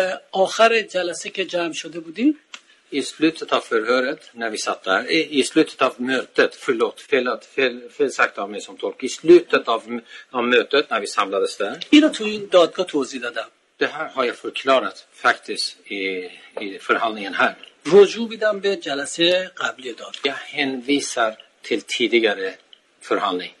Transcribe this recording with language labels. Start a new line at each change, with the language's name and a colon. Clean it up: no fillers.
Persian: آخر جلسه که جمع شده بودیم
Swedish: i slutet av förhöret när vi satt där i slutet av mötet förlåt fel sagt av mig som tolk i slutet av mötet när vi samlades där
Persian: اینو توی دادگاه توضیح دادم
Swedish: det här har jag förklarat faktiskt i förhandlingen här
Persian: رجوع میدم به جلسه قبلی دادگاه
Swedish: jag hänvisar till tidigare förhandling